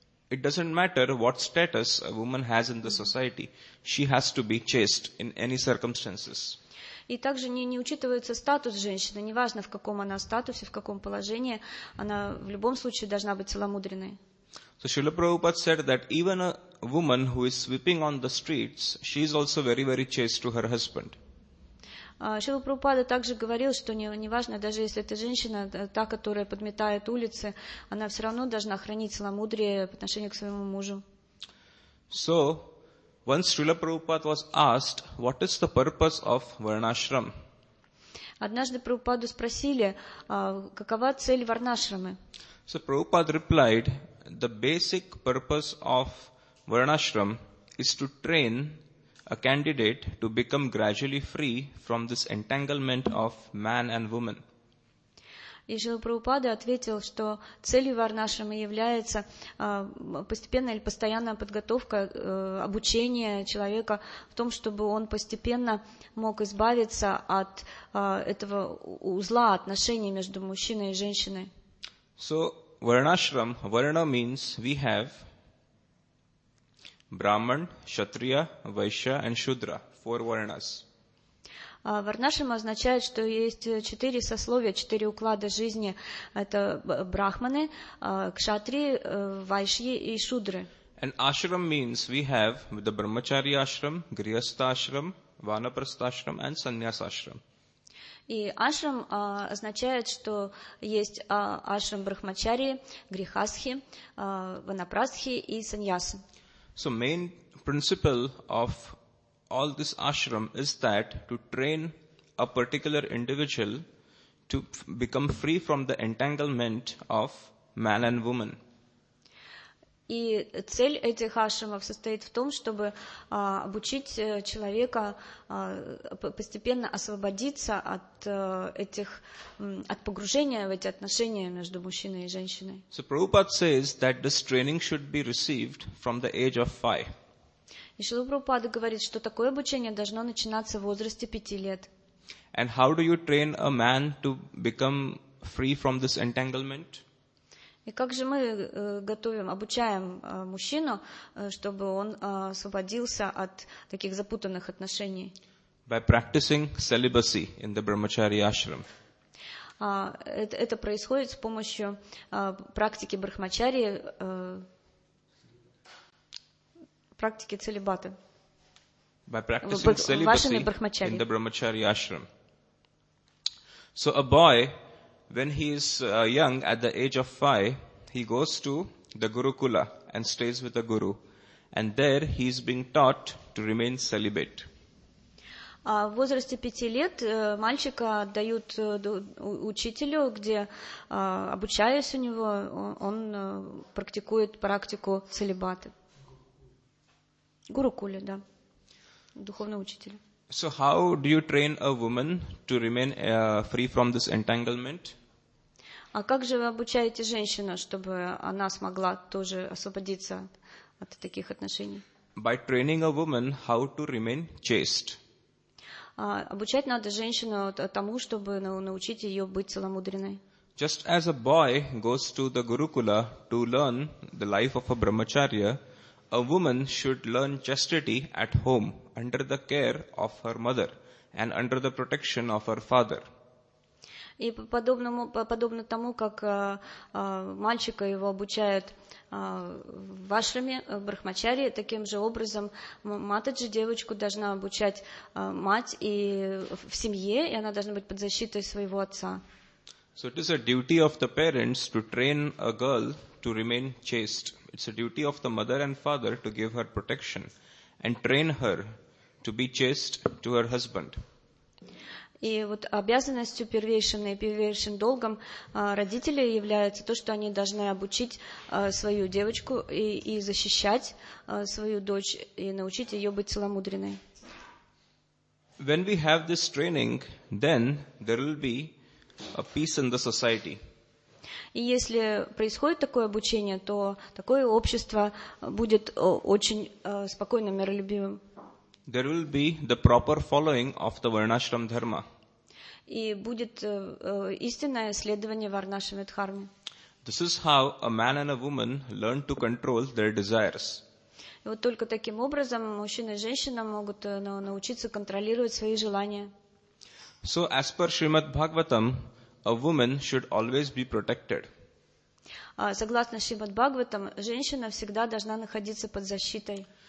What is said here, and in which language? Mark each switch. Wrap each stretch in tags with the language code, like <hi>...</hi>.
<en>It doesn't matter what status a woman has in the society, she has to be chaste in any circumstances.</en> <ru>И также не учитывается статус женщины, неважно в каком она статусе, в каком положении, она в любом случае должна быть целомудренной.</ru> <en>So Srila Prabhupada said that even a woman who is sweeping on the streets, she is also very, very chaste to her husband.</en> <ru>Шрила Прабхупада также говорил, что неважно, даже если это женщина, та, которая подметает улицы, она все равно должна хранить целомудрие по отношению к своему мужу.</ru> <en>So, once Srila Prabhupada was asked, what is the purpose of Varnashram?</en> <ru>Однажды Прабхупаду спросили, какова цель Варнашрамы?</ru> <en>So Prabhupada replied, the basic purpose of Varnashram is to train a candidate to become gradually free from this entanglement of man and woman.</en> <ru>И Шрила Прабхупада ответил, что целью Варнашрамы является постепенная или постоянная подготовка, обучение человека в том, чтобы он постепенно мог избавиться от этого узла отношений между мужчиной и женщиной.</ru> <en>So, Varnashram, Varna means we have Brahman, Kshatriya, Vaishya and Shudra, four Varnas.</en> <ru>Варнашрама означает, что есть четыре сословия, четыре уклада жизни. Это брахманы, кшатри, вайшьи и шудры.</ru> <en>And ashram means we have the brahmachari ashram, grihastha ashram, vanaprastha ashram and sannyas ashram.</en> <ru>И ашрам означает, что есть ашрам брахмачари, грихасхи, ванапрасхи и саньясы.</ru> <en>So main principle of all this ashram is that to train a particular individual to become free from the entanglement of man and woman.</en> <ru>И цель этих ашрамов состоит в том, чтобы обучить человека постепенно освободиться от этих от погружения в эти отношения между мужчиной и женщиной.</ru> <en>So Prabhupada says that this training should be received from the age of 5.</en> <ru>И Шрила Прабхупада говорит, что такое обучение должно начинаться в возрасте 5 лет.</ru> <en>And how do you train a man to become free from this entanglement?</en> <ru>И как же мы готовим, обучаем мужчину, чтобы он освободился от таких запутанных отношений?</ru> <en>By practicing celibacy in the Brahmacharya ashram.</en> <ru>Это происходит с помощью практики брахмачари, практики целибата.</ru> <en>By practicing celibacy in the Brahmacharya ashram. So a boy, when he is young, at the age of 5, he goes to the Gurukula and stays with the Guru. And there he is being taught to remain celibate.</en> <ru>В возрасте 5 лет мальчика отдают учителю, где обучаясь у него, он практикует практику целибата. Гурукуля, да. Духовный учитель.</ru> <en>So how do you train a woman to remain free from this entanglement?</en> <ru>А как же вы обучаете женщину, чтобы она смогла тоже освободиться от таких отношений?</ru> <en>By training a woman how to remain chaste.</en> <ru>Обучать надо женщину тому, чтобы научить ее быть целомудренной.</ru> <en>Just as a boy goes to the Gurukula to learn the life of a brahmacharya, a woman should learn chastity at home, under the care of her mother and under the protection of her father.</en> <ru>И подобно тому, как мальчика его обучают в ашраме, в брахмачарии, таким же образом матаджи девочку должна обучать мать и в семье, и она должна быть под защитой своего отца.</ru> <en>So it is a duty of the parents to train a girl to remain chaste. It's a duty of the mother and father to give her protection and train her to be chaste to her husband.</en> <ru>И вот обязанностью первейшиной, первейшим долгом родителей является то, что они должны обучить свою девочку и защищать свою дочь и научить ее быть целомудренной.</ru> <en>When we have this training, then there will be a peace in the society.</en> <ru>И если происходит такое обучение, то такое общество будет очень спокойным, миролюбивым.</ru> <en>There will be the proper following of the Varnashram Dharma.</en> <ru>И будет истинное следование варнашрама дхарме.</ru> <en>This is how a man and a woman learn to control their desires.</en> <ru>И вот только таким образом мужчина и женщина могут научиться контролировать свои желания.</ru> <en>So as per Srimad Bhagavatam, a woman should always be protected.</en> <ru>Согласно Шримад Бхагаватам, женщина всегда должна находиться под защитой.</ru>